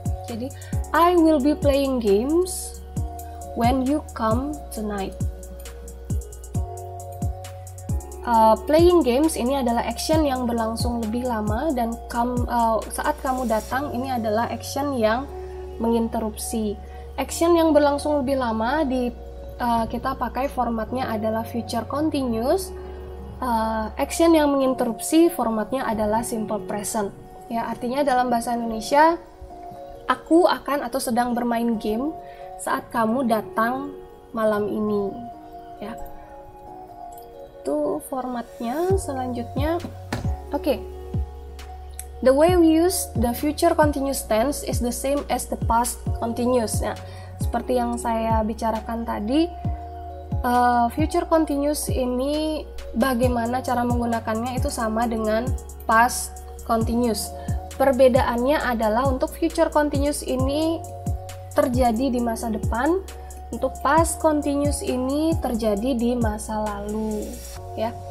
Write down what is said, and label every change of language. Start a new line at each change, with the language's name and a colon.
English: Jadi, I will be playing games when you come tonight.
Indonesian: Playing games ini adalah action yang berlangsung lebih lama, dan saat kamu datang ini adalah action yang menginterupsi. Action yang berlangsung lebih lama di kita pakai formatnya adalah future continuous. Action yang menginterupsi formatnya adalah simple present. Ya, artinya dalam bahasa Indonesia, aku akan atau sedang bermain game saat kamu datang malam ini. Ya. Itu formatnya. Selanjutnya, oke.
English: The way we use the future continuous tense is the same as the past continuous.
Indonesian: Ya. Seperti yang saya bicarakan tadi, future continuous ini bagaimana cara menggunakannya itu sama dengan past continuous. Perbedaannya adalah untuk future continuous ini terjadi di masa depan, untuk past continuous ini terjadi di masa lalu ya.